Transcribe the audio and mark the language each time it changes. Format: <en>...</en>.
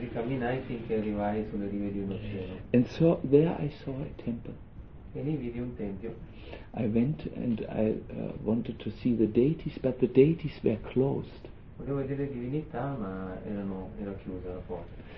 <it>Ricamminai finché arrivai sulle rive di un oceano.</it> <en>And so there I saw a temple.</en> <it>E lì vidi un tempio.</it> <en>I went and I wanted to see the deities, but the deities were closed.</en> <it>Volevo vedere le divinità, ma era chiusa la porta.</it>